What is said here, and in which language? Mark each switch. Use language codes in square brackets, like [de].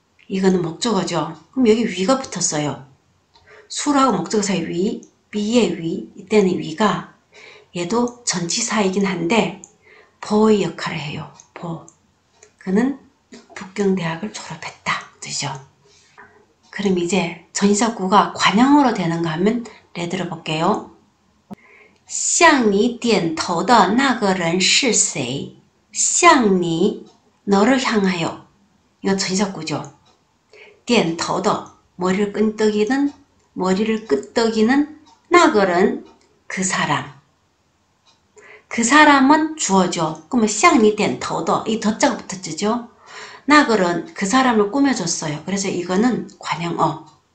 [ko] 이거는 목적어죠. 그럼 여기 위가 붙었어요. 수로하고 목적어 사이 위, [zh] 毕业于, [ko] 이때는 위가. 얘도 전치사이긴 한데, 보의 역할을 해요. 보. 그는 북경대학을 졸업했다. 뜻이죠. 그럼 이제 전치사구가 관용어로 되는가 하면 예 들어볼게요. [zh] 向你点头的那个人是谁？向你， [ko] 너를향하여，이거전사구죠。 [zh] 点头的， [ko] 머리를끈덕이는，머리를끄덕이는 [zh] 那个人， [ko] 그사람。 그사람은주어죠。 그러면 [zh] 向你点头的， [ko] 이더자가붙었죠。 [zh] 那个人， [ko] 그사람을꾸며줬어요。그래서이거는관용어。